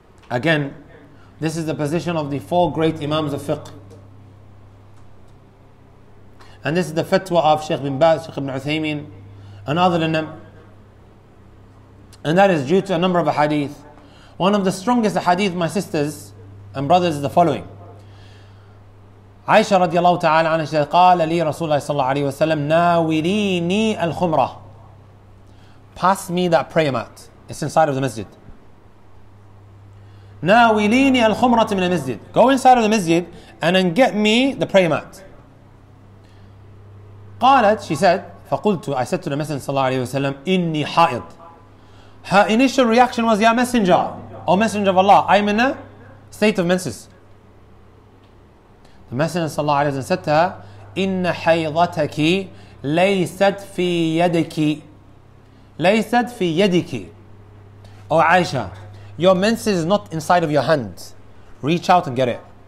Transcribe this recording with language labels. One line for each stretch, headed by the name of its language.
English: Again, this is the position of the four great imams of fiqh. And this is the fatwa of Shaykh bin Baz, Shaykh ibn Uthaymeen, and other than them. And that is due to a number of hadith. One of the strongest hadith, my sisters and brothers, is the following.
Arabic: Aisha radiallahu ta'ala anha said, قَالَ لِي رَسُولَ اللَّهِ صَلَّى اللَّهُ عَلَيْهِ وَسَلَّمَ نَاوِلِينِي الْخُمْرَةِ.
English: Pass me that prayer mat. It's inside of the masjid.
Arabic: نَاوِلِينِي الْخُمْرَةِ مِنَ الْمَسْجِدِ.
English: Go inside of the masjid and then get me the prayer mat.
Arabic: قَالَتْ,
English: she said,
Arabic: فَقُلْتُ,
English: I said to the Messenger
Arabic: صلى الله عليه وسلم, إِنِّي حَائِضْ.
English: Her initial reaction was, ya messenger, O messenger of Allah, I'm in a state of menses. The Messenger sallallahu alayhi wa sallam said to her,
Arabic: inna haydataki laysat fi yadiki. Laysat fi yadiki.
English: O Aisha, your menses is not inside of your hand. Reach out and get it.